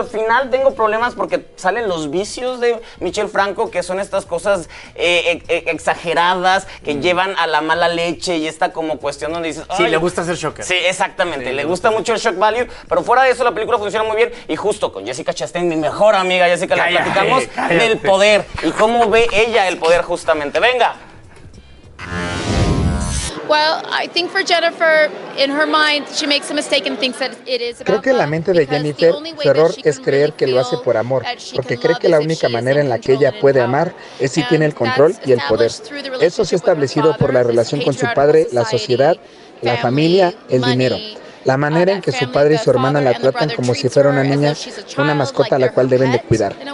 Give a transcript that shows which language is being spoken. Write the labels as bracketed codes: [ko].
[es] Al final tengo problemas porque salen los vicios de Michelle Franco, que son estas cosas exageradas que llevan a la mala leche, y esta como cuestión donde dices... Sí, le gusta ser shocker. Sí, exactamente. Sí, le gusta mucho el shock value, pero fuera de eso la película funciona muy bien, y justo con Jessica Chastain, mi mejor amiga Jessica, le platicamos del poder y cómo ve ella el poder justamente. ¡Venga! [en] Well, I think for Jennifer, in her mind, she makes a mistake and thinks that it is about love. [es] Creo que en la mente de Jennifer, su error es creer que lo hace por amor, porque cree que la única manera en la que ella puede amar es si tiene el control y el poder. Eso se ha establecido por la relación con su padre, la sociedad, la familia, el dinero. La manera en que su padre y su hermana la tratan como si fuera una niña, una mascota a la cual deben de cuidar.